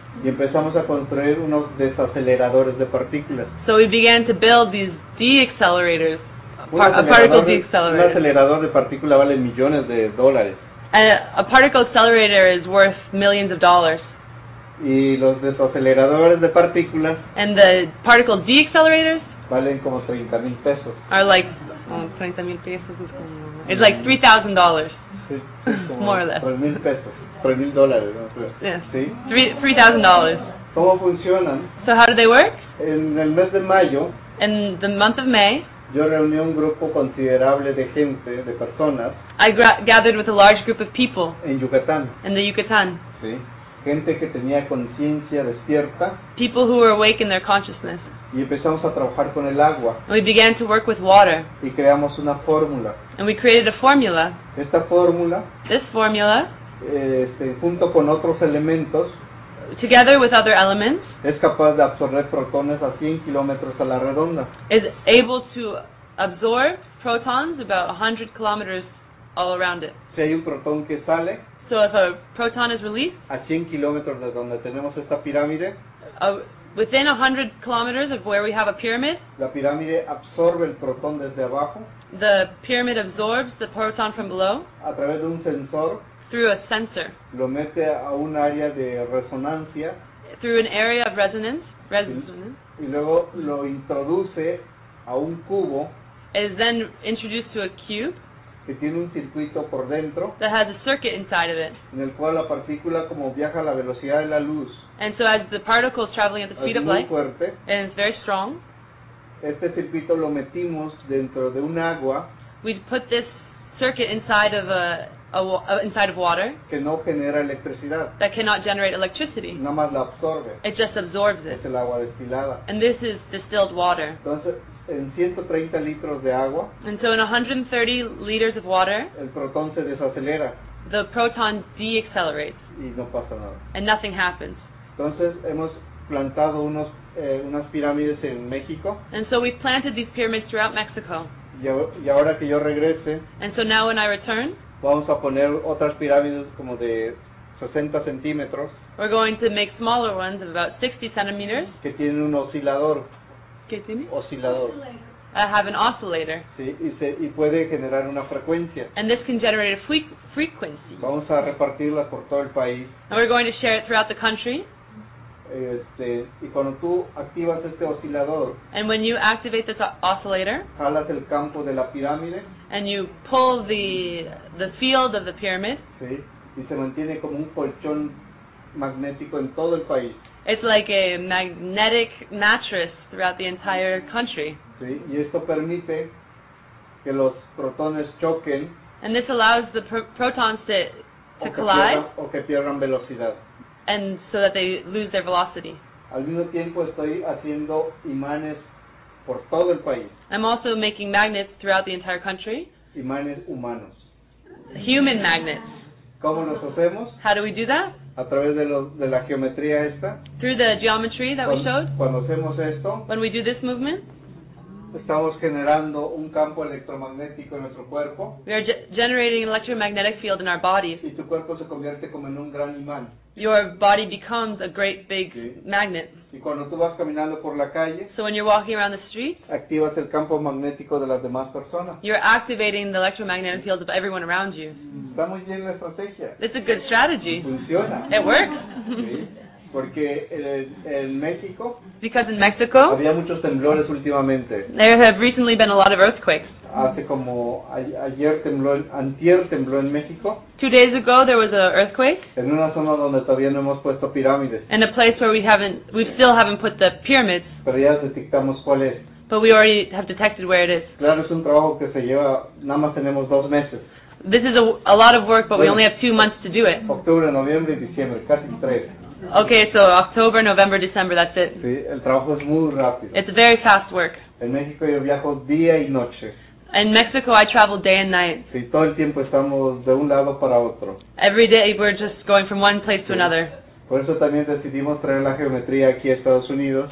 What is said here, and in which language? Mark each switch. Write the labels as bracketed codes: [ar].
[es] Y empezamos a construir unos desaceleradores de partículas. [en] So we began to build these deaccelerators, particle deaccelerators. [es] Un acelerador de partícula vale millones de dólares. [en] And a particle accelerator is worth millions of dollars. [es] Y los desaceleradores de partículas. [en] And the particle deaccelerators. [es] Valen como 30 mil pesos. [en] Are like. Oh, [es] 30 mil pesos es como. [en] It's like $3,000. [es] Sí, [en] more or less. [es] 3 mil pesos. 3 mil dólares, ¿no? [en] Yes. [es] Sí. [en] $3,000. [es] ¿Cómo funcionan? [en] So, how do they work? [es] En el mes de mayo. [en] In the month of May. [es] Yo reuní un grupo considerable de gente, de personas. [en] I gathered with a large group of people. [es] En Yucatán. [en] In the Yucatán. [es] Sí. Gente que tenía conciencia despierta. [en] People who were awake in their consciousness. [es] Y empezamos a trabajar con el agua. [en] And we began to work with water. [es] Y creamos una fórmula. [en] And we created a formula. [es] Esta fórmula. [en] This formula. [es] Junto con otros elementos. [en] Together with other elements. [es] Es capaz de absorber protones a 100 kilómetros a la redonda. [en] Is able to absorb protons about 100 kilometers all around it. [es] Si hay un protón que sale. [en] So if a proton is released, [es] a 100 kilómetros de donde tenemos esta pirámide, [en] within 100 kilometers of where we have a pyramid, [es] la pirámide absorbe el protón desde abajo. [en] The pyramid absorbs the proton from below. [es] A través de un sensor. [en] Through a sensor. [es] Lo mete a un área de resonancia. [en] Through an area of resonance. [es] Y luego lo introduce a un cubo. [en] Is then introduced to a cube. [es] Que tiene un circuito por dentro. [en] That has a circuit inside of it. [es] En el cual la partícula como viaja a la velocidad de la luz. [en] And so as the particle is traveling at the speed of light. [es] Es muy fuerte. [en] And it's very strong. [es] Este circuito lo metimos dentro de un agua. [en] We put this circuit inside of inside of water. [es] Que no genera electricidad. [en] That cannot generate electricity. [es] Nada más la absorbe. [en] It just absorbs it. [es] Es el agua destilada. [en] And this is distilled water. [es] Entonces, en 130 litros de agua. [en] And so in 130 liters of water. [es] El protón se desacelera. [en] The proton deaccelerates. [es] Y no pasa nada. [en] And nothing happens. [es] Entonces hemos plantado unas pirámides en México. [en] And so we've planted these pyramids throughout Mexico. [es] Y ahora que yo regrese. [en] And so now when I return. [es] Vamos a poner otras pirámides como de 60 centímetros. [en] We're going to make smaller ones of about 60 centimeters. [es] Que tienen un oscilador. ¿Qué tiene? Oscilador. [en] I have an oscillator. [es] Sí, y puede generar una frecuencia. [en] And this can generate a frequency. [es] Vamos a repartirlas por todo el país. [en] And we're going to share it throughout the country. [es] Y cuando tú activas este oscilador. [en] And when you activate this oscillator. [es] Jalas el campo de la pirámide. [en] And you pull the field of the pyramid. [es] Sí, y se mantiene como un colchón magnético en todo el país. [en] It's like a magnetic mattress throughout the entire country. [es] Sí, y esto permite que los protones choquen. [en] And this allows the protons to collide. [es] O que pierdan velocidad. [en] And so that they lose their velocity. [es] Al mismo tiempo estoy haciendo imanes por todo el país. [en] I'm also making magnets throughout the entire country. [es] Imanes humanos. [en] human magnets. [es] ¿Cómo los hacemos? [en] How do we do that? [es] A través de, lo, de la geometría esta. [en] Through the geometry that [es] cuando, [en] we showed. [es] Cuando hacemos esto. [en] When we do this movement. [es] Estamos generando un campo electromagnético en nuestro cuerpo. [en] We are generating an electromagnetic field in our bodies. [es] Y tu cuerpo se convierte como en un gran imán. [en] Your body becomes a great big sí. magnet. [es] Y cuando tú vas caminando por la calle. [en] So when you're walking around the street. [es] Activas el campo magnético de las demás personas. [en] You're activating the electromagnetic field of everyone around you. [es] Está muy bien la estrategia. [en] It's a good strategy. [es] Funciona. [en] It works. [es] Sí. Porque en México, [en] because in Mexico, [es] había muchos temblores últimamente. [en] There have recently been a lot of earthquakes. [es] Hace como ayer tembló, antier tembló en México. [en] 2 days ago there was an earthquake. [es] En una zona donde todavía no hemos puesto pirámides. [en] In a place where we still haven't put the pyramids. [es] Pero ya detectamos cuál es. [en] But we already have detected where it is. [es] Claro, es un trabajo que se lleva, nada más tenemos 2 meses. [en] This is a lot of work, but bueno, we only have 2 months to do it. [es] Octubre, noviembre, diciembre, casi 3. [en] Okay, so October, November, December, that's it. [es] Sí, el trabajo es muy rápido. [en] It's very fast work. [es] En México yo viajo día y noche. [en] In Mexico, I travel day and night. [es] Sí, todo el tiempo estamos de un lado para otro. [en] Every day, we're just going from one place sí. to another. [es] Por eso también decidimos traer la geometría aquí a Estados Unidos.